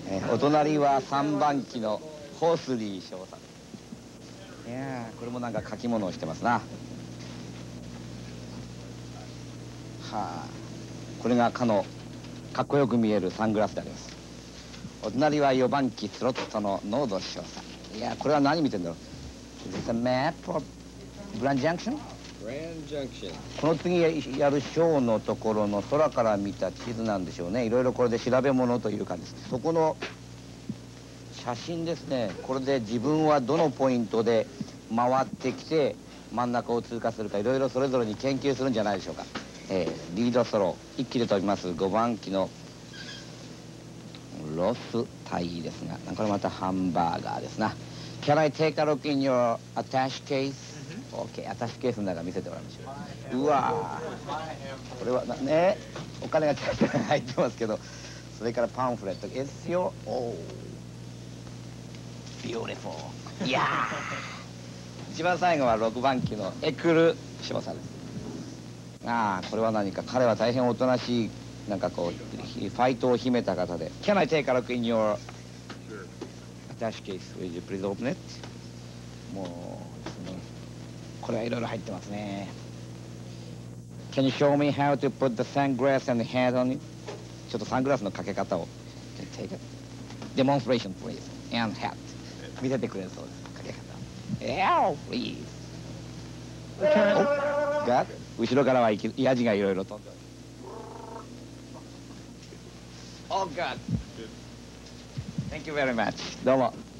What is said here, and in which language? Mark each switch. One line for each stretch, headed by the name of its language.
Japanese: お隣は3番機のホースリー少佐。いやー、これもなんか書き物をしてますな。はあ、これがかの。かっこよく見えるサングラスであります。お隣は4番機スロットのノード少佐。いや、これは何見てんだろう。
English: Is this a map for Grand Junction? Grand Junction.
Japanese: この次やるショーのところの空から見た地図なんでしょうね。いろいろこれで調べ物という感じです。そこの写真ですね。これで自分はどのポイントで回ってきて真ん中を通過するか、いろいろそれぞれに研究するんじゃないでしょうか。リードソロ一機で飛びます5番機のロス隊員ですが、これまたハンバーガーですな。
English: Can I take a look in your attach case?
Japanese: OK、 アタッシュケースの中見せてもらいましょう。うわー、これはね、お金がちゃんと入ってますけど、それからパンフレット
English: It's your Beautiful
Japanese: いやー、一番最後は6番機のエクル少佐です。ああ、これは何か、彼は大変おとなしい、なんかこう、ファイトを秘めた方で。
English: Can I take a look in your attach case? Would you please open it?
Japanese: もうですね、これはいろいろ入ってますね。
English: Can you show me how to put the sunglass and the hat on it?
Japanese: ちょっとサングラスのかけ方を。
English: Can you take a demonstration, please? And hat.
Japanese: 見せてくれるそうです、かけ方。
English: Yeah, please. Okay. Oh, got it?
Japanese: 後ろからはヤジがいろいろ飛んでおります。
English: Oh God! Thank you very much.
Japanese: どうも。